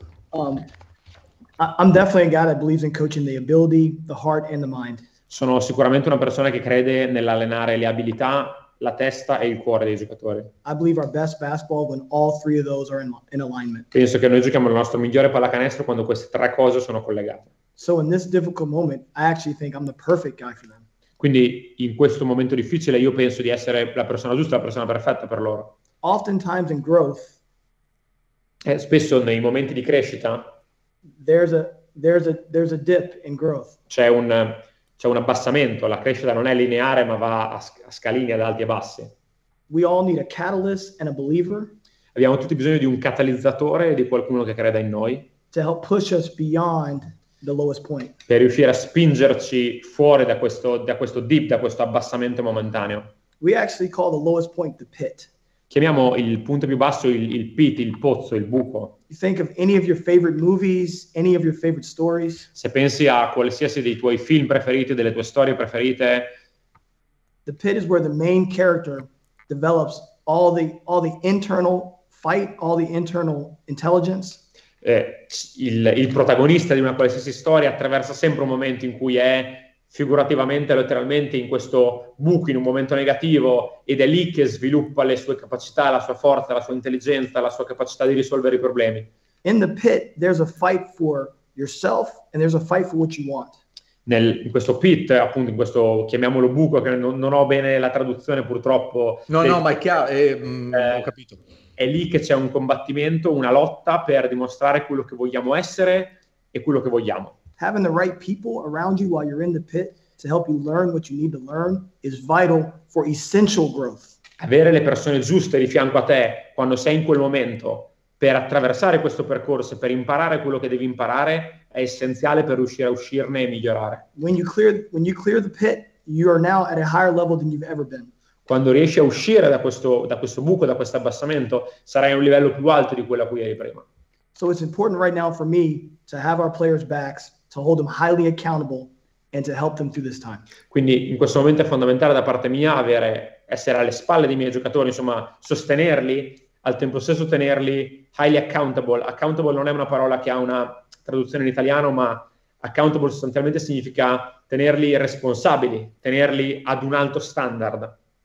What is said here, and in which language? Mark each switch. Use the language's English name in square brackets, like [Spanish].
[English] I'm definitely a guy that believes in coaching the ability, the heart and the mind. [Italian] Sono sicuramente una persona che crede nell'allenare le abilità, la testa e il cuore dei giocatori. [English] I believe our best basketball when all three of those are in alignment. [Italian] Penso che noi giochiamo il nostro migliore pallacanestro quando queste tre cose sono collegate. [English] So in this difficult moment, I actually think I'm the perfect guy for them. [Italian] Quindi in questo momento difficile io penso di essere la persona giusta, la persona perfetta per loro. [English] Oftentimes in growth, [Italian] spesso nei momenti di crescita, [English] there's a dip in growth. [Italian] C'è un abbassamento, la crescita non è lineare ma va a scalini ad alti e bassi. [English] We all need a catalyst and a believer. [Italian] Abbiamo tutti bisogno di un catalizzatore e di qualcuno che creda in noi. [English] To help push us beyond the lowest point. [Italian] Per riuscire a spingerci fuori da questo dip, da questo abbassamento momentaneo. [English] We actually call the lowest point the pit. [Italian] Chiamiamo il punto più basso il pit, il pozzo, il buco. [English] You think of any of your favorite movies, any of your favorite stories. [Italian] Se pensi a qualsiasi dei tuoi film preferiti, delle tue storie preferite. [English] The pit is where the main character develops all the internal fight, all the internal intelligence. [Italian] Il protagonista di una qualsiasi storia attraversa sempre un momento in cui è figurativamente, letteralmente, in questo buco, in un momento negativo, ed è lì che sviluppa le sue capacità, la sua forza, la sua intelligenza, la sua capacità di risolvere i problemi. [English] In the pit there's a fight for yourself and there's a fight for what you want. [Italian] In questo pit, appunto, in questo, chiamiamolo buco, che non ho bene la traduzione purtroppo. No, ma è chiaro, ho capito. È lì che c'è un combattimento, una lotta per dimostrare quello che vogliamo essere e quello che vogliamo. [English] Having the right people around you while you're in the pit to help you learn what you need to learn is vital for essential growth. [Italian] Avere le persone giuste di fianco a te quando sei in quel momento per attraversare questo percorso, per imparare quello che devi imparare, è essenziale per riuscire a uscirne e migliorare. [English] When you clear the pit, you are now at a higher level than you've ever been. [Italian] Quando riesci a uscire da questo buco, da questo abbassamento, sarai a un livello più alto di quello a cui eri prima. [English] So it's important right now for me to have our players' backs, to hold them highly accountable, and to help them through this time. [Italian] Quindi in questo momento è fondamentale da parte mia essere alle spalle dei miei giocatori, insomma, sostenerli, al tempo stesso tenerli [English] highly accountable. [Italian] Accountable non è una parola che ha una traduzione in italiano, ma accountable sostanzialmente significa tenerli responsabili, tenerli ad un alto standard.